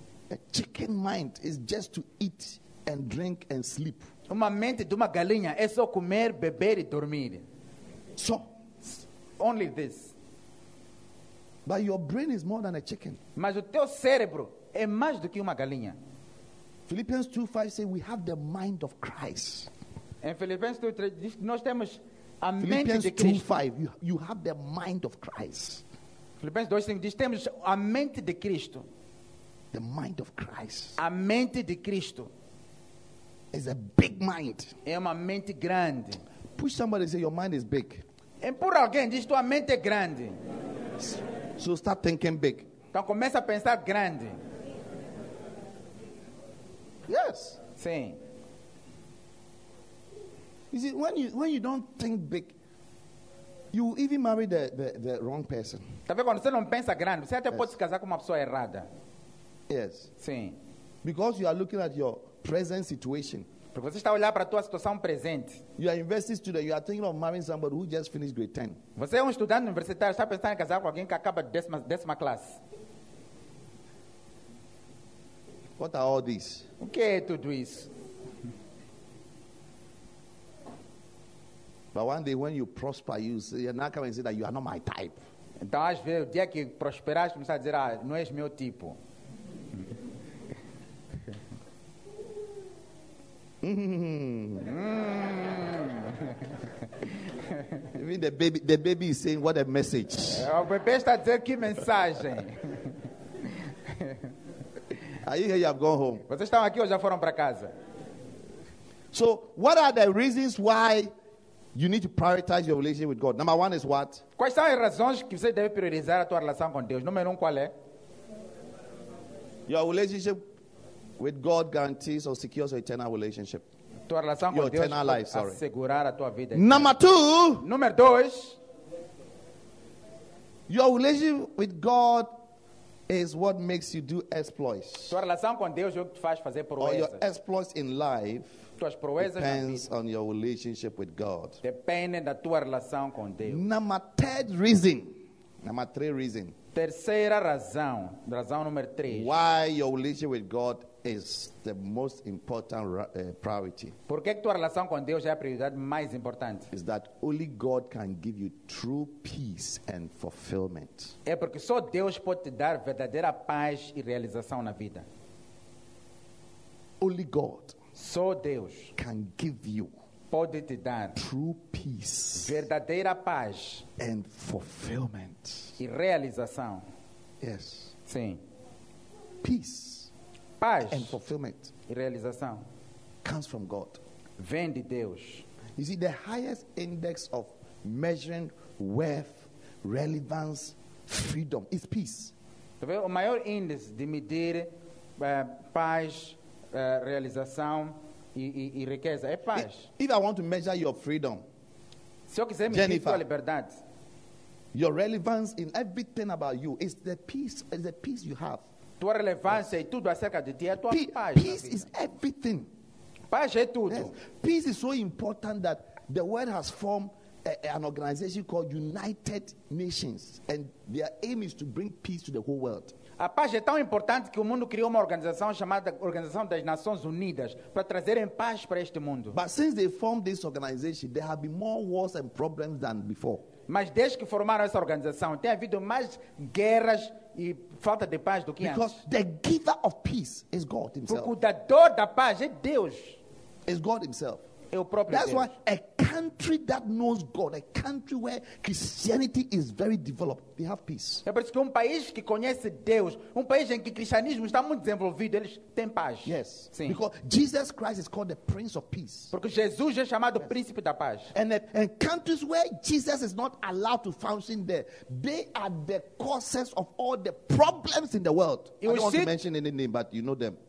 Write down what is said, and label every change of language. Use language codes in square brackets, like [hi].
[en] A chicken mind is just to eat and drink and sleep. [pt] Uma mente de uma galinha é só comer, beber e dormir. [en] So, only this. But your brain is more than a chicken. [pt] Mas o teu cérebro é mais do que uma galinha. [en] Philippians 2:5 says we have the mind of Christ. [pt] Em Filipenses 2:3 diz que nós temos a mente de Cristo. Philippians [en] 2:5 you have the mind of Christ. [pt] Filipenses 2:5 diz temos a mente de Cristo. [en] The mind of Christ. [pt] A mente de Cristo. [en] Is a big mind. [pt] É uma mente grande. [en] Push somebody and say your mind is big. [pt] por alguém, diz tua mente é grande. [en] So start thinking big. [pt] Então começa a pensar grande. [en] Yes. [pt] Sim. [en] You see, when you don't think big, you even marry the wrong person. [pt] Tá vendo? Quando você não pensa grande, você até pode se casar com uma pessoa errada. [en] Yes. [pt] Sim. [en] Because you are looking at your present situation. [pt] Porque você está a olhar para a tua situação presente. [en] You are university student, you are thinking of marrying somebody who just finished grade 10. [pt] Você é estudante universitário, está pensando em casar com alguém que acaba de décima classe. [en] What are all this? [pt] O que é tudo isso? [en] But one day when you prosper, you say, now come and say that you are not my type. [pt] Então, às vezes, o dia que prosperar, você começa a dizer, ah, não és meu tipo. [en] Even the baby is saying, what a message. [pt] O bebê está dizendo, que mensagem. [en] Are you here? You have gone home. [pt] Vocês estão aqui ou já foram para casa? [en] So, what are the reasons why you need to prioritize your relationship with God? Number one is what? [pt] Quais são as razões que você deve priorizar a tua relação com Deus? Número um, qual é? [en] Your relationship with God guarantees or secures your eternal relationship. [pt] Tua relação [en] your [pt] com Deus [en] eternal life, sorry. [pt] Assegurar a tua vida. [en] Number two. [pt] Número dois. [en] Your relationship with God is what makes you do exploits. [pt] Tua relação com Deus é o que te faz fazer proezas. [en] Or your exploits in life. [pt] Tuas proezas [en] depends on your relationship with God. [pt] Depende da tua relação com Deus. [en] Number three reason. [pt] Terceira razão. Razão número três. [en] Why your relationship with God is the most important priority. [pt] Por que tua relação com Deus é a prioridade mais importante? [en] Is that only God can give you true peace and fulfillment. [pt] É porque só Deus pode te dar verdadeira paz e realização na vida. [en] Only God. [pt] Só Deus [en] can give you [pt] pode te dar [en] true peace, [pt] verdadeira paz [en] and fulfillment. [pt] E realização. [en] Yes. [pt] Sim. [en] Peace. [pt] Paz [en] and fulfillment. [pt] E realização. [en] Comes from God. [pt] Vem de Deus. [en] You see, the highest index of measuring worth, relevance, freedom is peace. [pt] O maior índice de medir paz, realização e riqueza é paz. [en] If I want to measure your freedom, [pt] se eu quiser medir tua liberdade, [en] your relevance in everything about you is the peace. Is the peace you have. [pt] Tua relevância e tudo acerca de ti é tua paz. [en] Peace is everything. [pt] Paz é tudo. [en] Yes. Peace is so important that the world has formed an organization called United Nations, and their aim is to bring peace to the whole world. [pt] A paz é tão importante que o mundo criou uma organização chamada Organização das Nações Unidas para trazer em paz para este mundo. [en] But since they formed this organization, there have been more wars and problems than before. [pt] Mas desde que formaram essa organização, tem havido mais guerras e falta de paz do que [en] Because [pt] antes. [en] Because the giver of peace is God himself. [pt] Porque o dador da paz é Deus. [en] Is God himself. [pt] É o próprio [en] That's [pt] Deus. [en] That's why a country that knows God, a country where Christianity is very developed, they have peace. [pt] É por isso que um país que conhece Deus, um país em que o cristianismo está muito desenvolvido, eles têm paz. [en] Yes. [pt] Sim. [en] Because Jesus Christ is called the Prince of Peace. [pt] Porque Jesus é chamado [en] yes. [pt] Príncipe da paz. [en] And countries where Jesus is not allowed to function there, they are the causes of all the problems in the world. [pt] E [en] I don't want to mention any name, but you know them.